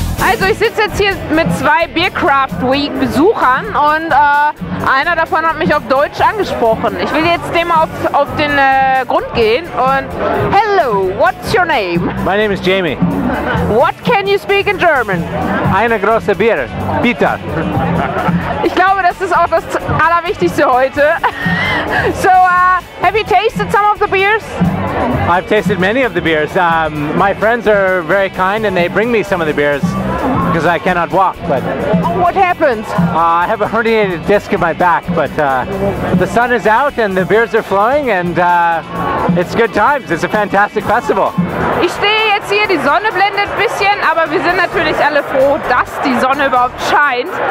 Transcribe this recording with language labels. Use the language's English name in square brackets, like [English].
[German] Also ich sitze jetzt hier mit 2 Beer Craft Week Besuchern und einer davon hat mich auf Deutsch angesprochen. Ich will jetzt dem auf den Grund gehen und [English] hello, what's your name? My name is Jamie. What can you speak in German? [German] Eine große Bier, Peter. Ich glaube, das ist auch das Allerwichtigste heute. [English] So, have you tasted some of the beers? I've tasted many of the beers. My friends are very kind and they bring me some of the beers because I cannot walk. But what happened? I have a herniated disc in my back, but the sun is out and the beers are flowing and it's good times. It's a fantastic festival. [German] Ich stehe jetzt hier, die Sonne blendet ein bisschen, aber wir sind natürlich alle froh, dass die Sonne überhaupt scheint.